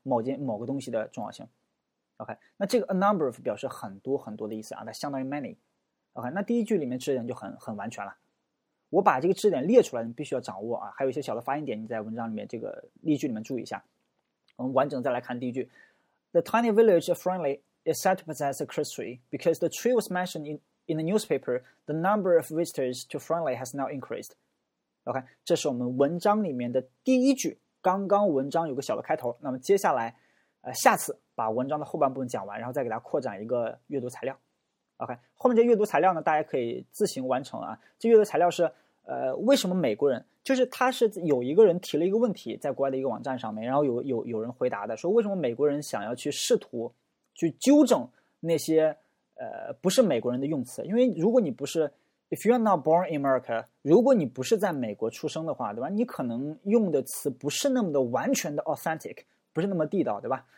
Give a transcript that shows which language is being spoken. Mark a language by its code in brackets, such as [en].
[zh] 某件某个东西的重要性。OK， 那这个 a number of 表示很多很多的意思啊，它相当于 many。 OK， 那第一句里面知识点就很完全了，我把这个知识点列出来你必须要掌握啊，还有一些小的发音点你在文章里面这个例句里面注意一下。 [en] 我们完整再来看第一句， The tiny village of Friendly is said to possess a Christmas tree because the tree was mentioned in the newspaper. The number of visitors to Friendly has now increased. [zh] OK， 这是我们文章里面的第一句，刚刚文章有个小的开头，那么接下来下次把文章的后半部分讲完，然后再给大家扩展一个阅读材料。 OK， 后面这阅读材料呢大家可以自行完成啊。这阅读材料是为什么美国人，就是他是有一个人提了一个问题在国外的一个网站上面，然后有人回答的，说为什么美国人想要去试图去纠正那些不是美国人的用词。因为如果你不是 [en] if you are not born in America， [zh] 如果你不是在美国出生的话，对吧，你可能用的词不是那么的完全的 authentic， 不是那么地道，对吧？